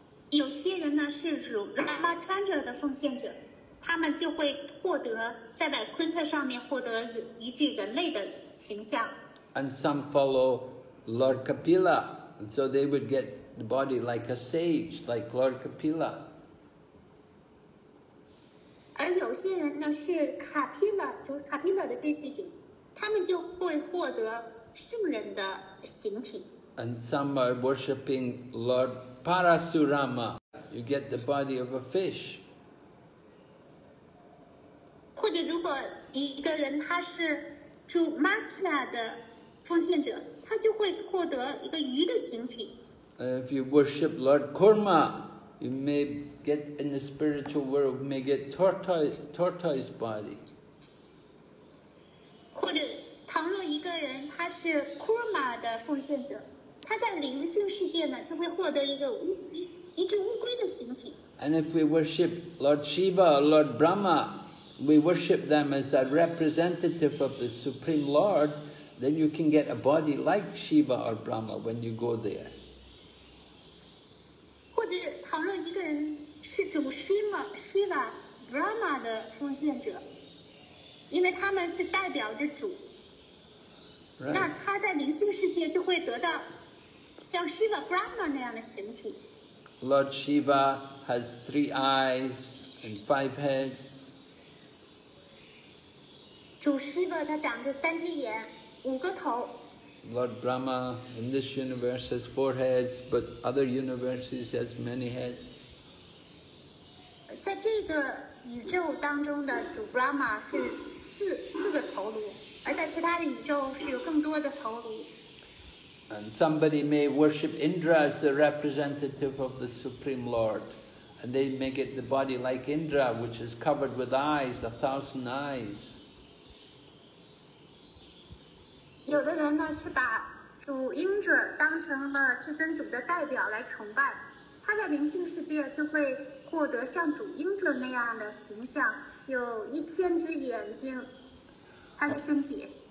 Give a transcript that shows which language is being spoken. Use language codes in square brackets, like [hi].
[zh] 有些人呢是如 Ramachandra 的奉献者，他们就会获得在 Vaikuntha 上面获得一具人类的形象。 [en] And some follow Lord Kapila, so they would get the body like a sage, like Lord Kapila. [zh] 而有些人呢是卡皮勒，就是卡皮勒的追随者，他们就会获得圣人的形体。 [en] And some are worshipping Lord Parasurama. You get the body of a fish. [zh] 果一个人他是住 Matsya 的奉献者，他就会获得一个鱼的形体。 [en] If you worship Lord Kurma, you may get in the spiritual world, may get tortoise body. [zh] 或者，倘若一个人他是 Kurma 的奉献者，他在灵性世界呢，就会获得一个一只乌龟的形体。 [en] And if we worship Lord Shiva, Lord Brahma, we worship them as a representative of the Supreme Lord, then you can get a body like Shiva or Brahma when you go there. [zh] 或者倘若一个人是主 Shiva, Brahma 的奉献者，因为他们是代表着主， [en] right. [zh] 那他在灵性世界就会得到像 Shiva, Brahma 那样的形体。 [en] Lord Shiva has three eyes and five heads. [zh] 主 Shiva 他长着三只眼，五个头。 [en] Lord Brahma in this universe has four heads, but other universes has many heads. [zh] 在这个宇宙当中的主 Brahma 是四个头颅，而在其他的宇宙是有更多的头颅。 [en] And somebody may worship Indra as the representative of the Supreme Lord, and they may get the body like Indra, which is covered with eyes, 1,000 eyes. [zh] 有的人呢是把主 Indra 当成了至尊主的代表来崇拜，他在灵性世界就会获得像主 Indra 那样的形象，有1,000只眼睛，他的身体。